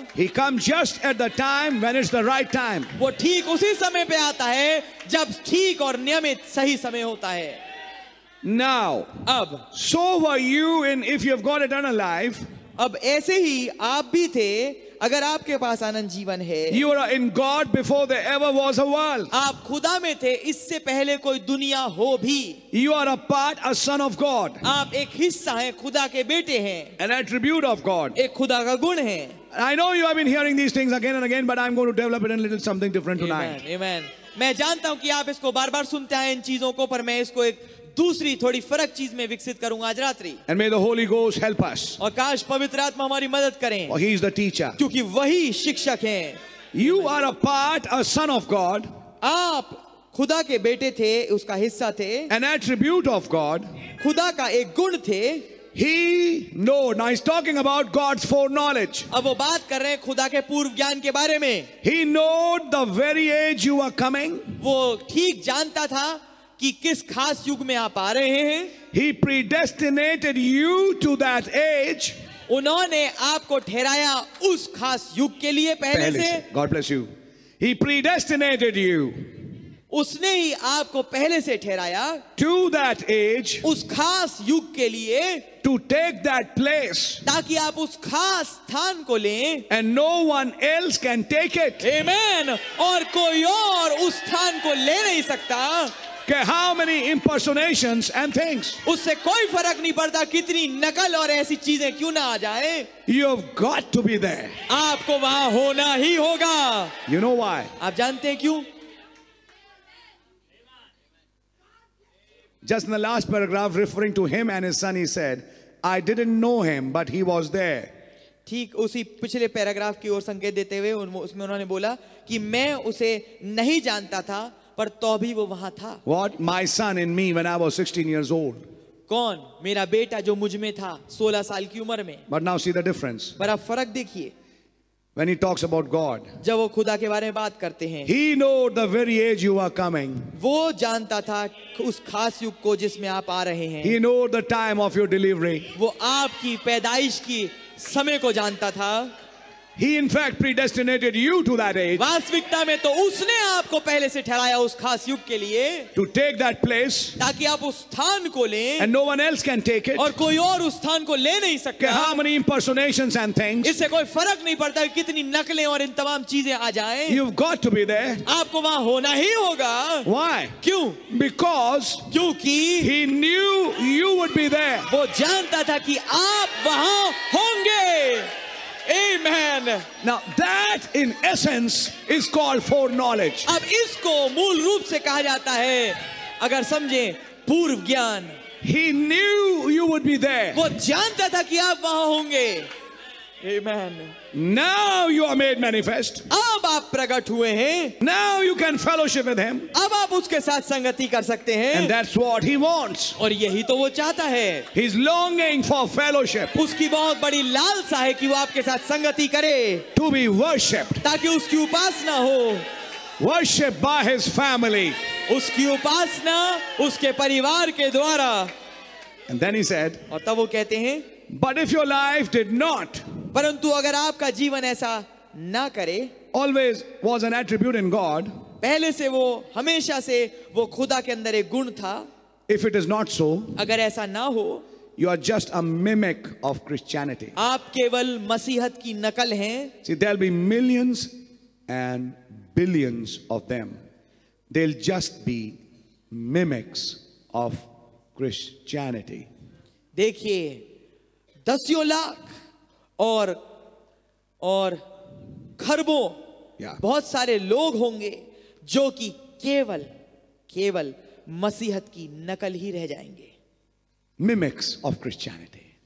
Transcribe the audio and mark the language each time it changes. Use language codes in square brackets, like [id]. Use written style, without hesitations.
[en] He comes just at the time when it's the right time. [hi] वो ठीक उसी समय पे आता है जब ठीक और नियमित सही समय होता है. [en] Now, [hi] अब [en] so were you in if you have got eternal life. [hi] अब ऐसे ही आप भी थे अगर आपके पास आनंद जीवन है. [en] You are in God before there ever was a world. [hi] आप खुदा में थे इससे पहले कोई दुनिया हो भी. [en] You are a part, a son of God. [hi] आप एक हिस्सा हैं, खुदा के बेटे हैं. [en] An attribute of God. [hi] एक खुदा का गुण है. [en] I know you have been hearing these things again and again, but I'm going to develop it in a little something different tonight. Amen. [hi] मैं जानता हूँ कि आप इसको बार-बार सुनते हैं इन चीजों को, पर मैं इसको एक दूसरी थोड़ी फर्क चीज में विकसित करूंगा आज रात्रि. [en] And may the Holy Ghost help us. [hi] और काश पवित्र आत्मा हमारी मदद करें. [en] For He is the teacher. [hi] क्योंकि वही शिक्षक हैं. [en] You are a part, a son of God. [hi] आप खुदा के बेटे थे, उसका हिस्सा थे. [en] An attribute of God. [hi] खुदा का एक गुण थे. [en] He know. Now he's talking about God's foreknowledge. [hi] अब वो बात कर रहे हैं खुदा के पूर्व ज्ञान के बारे में. [en] He know the very age you are coming. [hi] वो ठीक जानता था कि किस खास युग में आप आ रहे हैं. [en] He predestinated you to that age. [hi] उन्होंने आपको ठहराया उस खास युग के लिए पहले से. [en] God bless you. He predestinated you. [hi] उसने ही आपको पहले से ठहराया [en] to that age, [hi] उस खास युग के लिए, [en] to take that place, [hi] ताकि आप उस खास स्थान को लें. [en] And no one else can take it. Amen. [hi] और कोई और उस स्थान को ले नहीं सकता. [en] के how many impersonations and things, [hi] उससे कोई फर्क नहीं पड़ता कितनी नकल और ऐसी चीजें क्यों ना आ जाए. [en] You have got to be there. [hi] आपको वहां होना ही होगा. [en] You know why? [hi] आप जानते हैं क्यों? [en] Just in the last paragraph, referring to him and his son, he said, "I didn't know him, but he was there." [hi] ठीक उसी पिछले पैराग्राफ की ओर संकेत देते हुए उसमें उन्होंने बोला कि मैं उसे नहीं जानता था, पर तो भी वो वहाँ था. [en] What my son in me when I was 16 years old? [hi] कौन मेरा बेटा जो मुझ में था 16 साल की उम्र में? [en] But now see the difference. [hi] पर अब फर्क देखिए. [en] When he talks about God, [hi] जब वो खुदा के बारे में बात करते हैं, [en] he know the very age you are coming. [hi] वो जानता था उस खास युग को जिसमें आप आ रहे हैं. [en] He know the time of your delivery. [hi] वो आपकी पैदाइश की समय को जानता था. [en] He in fact predestinated you to that age. [hi] वास्तविकता में तो उसने आपको पहले से ठहराया उस खास युग के लिए. [en] To take that place. [hi] ताकि आप उस स्थान को लें. [en] And no one else can take it. [hi] और कोई और उस स्थान को ले नहीं सकता. [en] How many impersonations and things. [hi] इससे कोई फर्क नहीं पड़ता कितनी नकलें और इन तमाम चीजें आ जाएं. [en] You've got to be there. [hi] आपको वहां होना ही होगा. [en] Why? [hi] क्यों? [en] Because. [hi] क्योंकि. [en] He knew you would be there. [hi] वो जानता था कि आप वहां होंगे. [en] Amen. Now that in essence is called foreknowledge. [hi] अब इसको मूल रूप से कहा जाता है, अगर समझे, पूर्व ज्ञान. [en] He knew you would be there. [hi] वो जानता था कि आप वहां होंगे. [en] Amen. Now you are made manifest. [hi] अब आप प्रकट हुए हैं. [en] Now you can fellowship with him. [hi] अब आप उसके साथ संगति कर सकते हैं. [en] And that's what he wants. [hi] और यही तो वो चाहता है. [en] He's longing for fellowship. [hi] उसकी बहुत बड़ी लालसा है कि वो आपके साथ संगति करे. [en] To be worshipped. [hi] ताकि उसकी उपासना हो. [en] Worship by his family. [hi] उसकी उपासना उसके परिवार के द्वारा. [en] And then he said. [hi] और तब वो कहते हैं. [en] But if your life did not, [hi] परंतु अगर आपका जीवन ऐसा ना करे, [en] always was an attribute in God, [hi] पहले से वो हमेशा से वो खुदा के अंदर एक गुण था, [en] if it is not so, [hi] अगर ऐसा ना हो, [en] you are just a mimic of Christianity, [hi] आप केवल मसीहत की नकल हैं, [en] see there'll be millions and billions of them, they'll just be mimics of Christianity, [hi] देखिए दसियों लाख और खरबों, बहुत सारे लोग होंगे जो कि केवल केवल मसीहत की नकल ही रह जाएंगे. [en] mimics of Christianity,